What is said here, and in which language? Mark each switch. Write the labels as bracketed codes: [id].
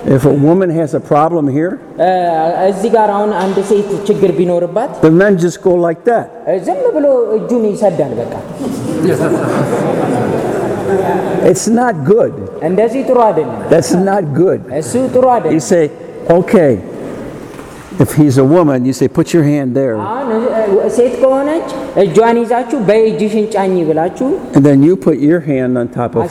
[en] If a woman has a problem here, [am] እዚህ ጋር አሁን አንድ ሴት ችግር ቢኖርባት, [en] the men just go like that. [am] ዝም ብሎ እጁን ይሰዳል በቃ. [en] It's not good. And does he throw it? That's not good. You say, okay. If he's a woman, you say, put your hand there. And then you put your hand on top of